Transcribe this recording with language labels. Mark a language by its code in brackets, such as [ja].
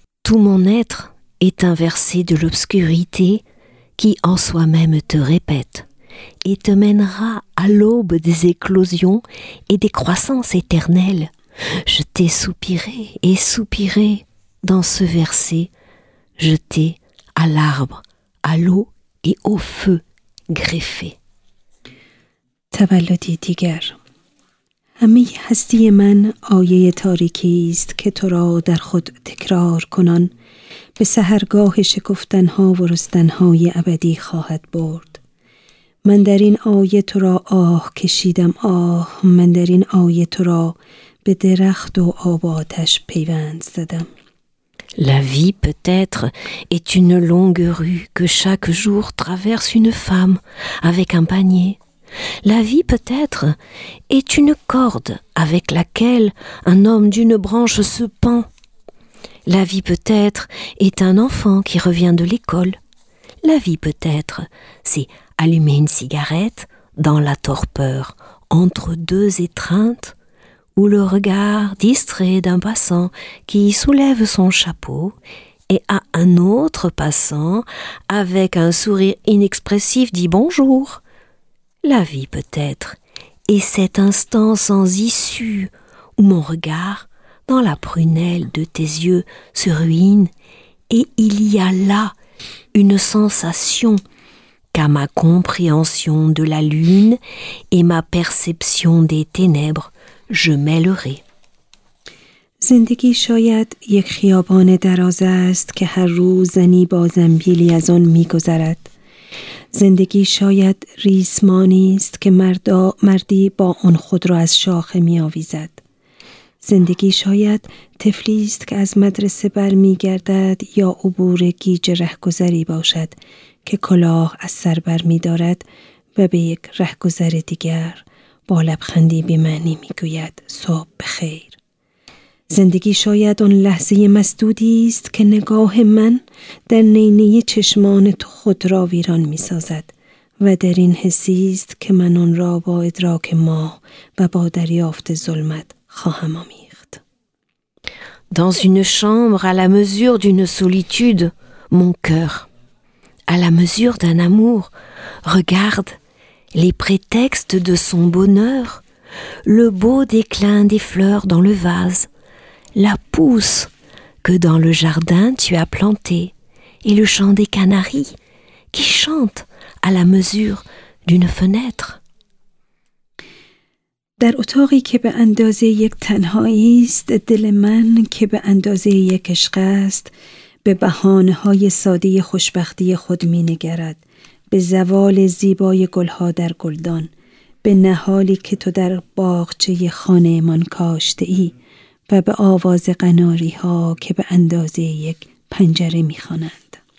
[fr] « Tout mon être est inversé de l'obscurité qui en soi-même te répète et te mènera à l'aube des éclosions et des croissances éternelles. Je t'ai soupiré et soupiré dans ce verset, je t'ai à l'arbre. » À l'eau et au feu greffé. [fa] تولدی دیگر همه هستی من آیه تاریکی است که تو را در خود تکرار کنان به سحرگاه شکفتنها و رستنهای ابدی خواهد برد. من در این آیه تو را آه کشیدم آه من در این آیه تو را به درخت و آب آتش پیوند زدم. [fr] La vie, peut-être, est une longue rue que chaque jour traverse une femme avec un panier. La vie, peut-être, est une corde avec laquelle un homme d'une branche se pend. La vie, peut-être, est un enfant qui revient de l'école. La vie, peut-être, c'est allumer une cigarette dans la torpeur entre deux étreintes. Ou le regard distrait d'un passant qui soulève son chapeau et à un autre passant, avec un sourire inexpressif, dit bonjour. La vie peut-être est cet instant sans issue où mon regard, dans la prunelle de tes yeux, se ruine et il y a là une sensation qu'à ma compréhension de la lune et ma perception des ténèbres, Je mêlerai. [fa] زندگی شاید یک خیابان دراز است که هر روز زنی با زنبیلی از آن می گذرد. زندگی شاید ریسمانی است که مردی با آن خود را از شاخه می آویزد. زندگی شاید طفلی است که از مدرسه بر می گردد یا عبور گیج رهگذری باشد که کلاه از سر بر می دارد و به یک رهگذر دیگر با لبخندی بی معنی می گوید صبح بخیر. زندگی شاید اون لحظه مسدودی است که نگاه من در نینه چشمان تو خود را ویران می سازد و در این حسی است که من اون را با ادراک ماه و با دریافت ظلمت خواهم آمیخت. [fr] Dans une chambre à la mesure d'une solitude, mon cœur, à la mesure d'un amour, regarde Les prétextes de son bonheur, le beau déclin des fleurs dans le vase, la pousse que dans le jardin tu as plantée et le chant des canaris qui chante à la mesure d'une fenêtre. [fa] در اتاقی که به اندازه یک تنهایی است، دل من که به اندازه یک عشق است، به بهانه‌های ساده خوشبختی خود می‌نگرد. به زوال زیبای گلها در گلدان، به نهالی که تو در باغچه خانه من کاشته ای و به آواز قناری ها که به اندازه یک پنجره می خوانند.